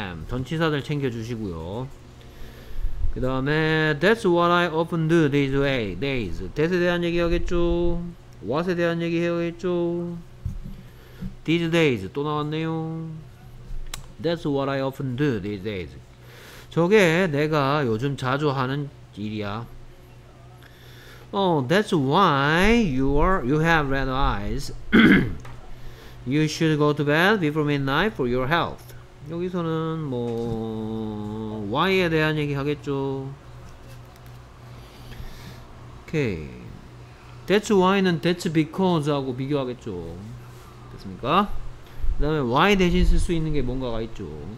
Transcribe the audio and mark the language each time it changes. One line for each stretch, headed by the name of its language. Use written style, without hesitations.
Korean: 전치사들 챙겨 주시고요. 그다음에
English: that's what I often do these days.
Korean: That에 대한 얘기 하겠죠. What에 대한 얘기 해야겠죠.
English: These days
Korean: 또 나왔네요.
English: That's what I often do these days.
Korean: 저게 내가 요즘 자주 하는 일이야.
English: Oh, that's why you have red eyes. You should go to bed before midnight for your health.
Korean: 여기서는 뭐 why에 대한 얘기 하겠죠. Okay. That's why는 that's because하고 비교하겠죠. 됐습니까? 그 다음에 why 대신 쓸 수 있는 게 뭔가가 있죠.